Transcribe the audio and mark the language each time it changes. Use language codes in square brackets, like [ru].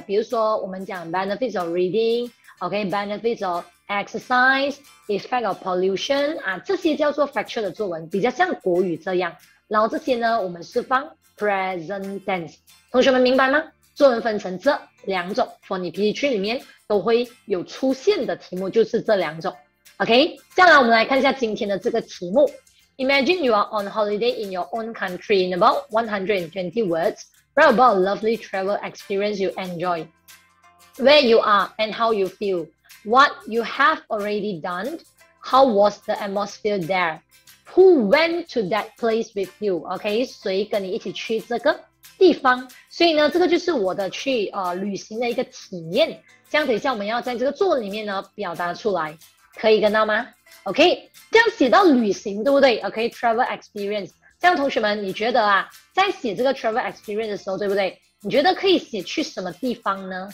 [zh] 比如说我们讲 [en] benefits of reading， [zh] OK， [en] benefits of exercise， effect of pollution [zh] 啊，这些叫做 factual 的作文，比较像国语这样。然后这些呢我们是放 present tense， 同学们明白吗？作文分成这两种 ，for 你 PD3 里面都会有出现的题目就是这两种。 OK， 接下来我们来看一下今天的这个题目。 [en] Imagine you are on holiday in your own country in about 120 words. Write about a lovely travel experience you enjoy, where you are and how you feel, what you have already done, how was the atmosphere there, who went to that place with you. [zh] OK， 谁跟你一起去这个地方，所以呢这个就是我的去旅行的一个体验，这样等一下我们要在这个作文里面呢表达出来，可以跟到吗？ OK， 这样写到旅行对不对？ OK， travel experience， 这样同学们你觉得啊，在写这个 travel experience 的时候对不对，你觉得可以写去什么地方呢？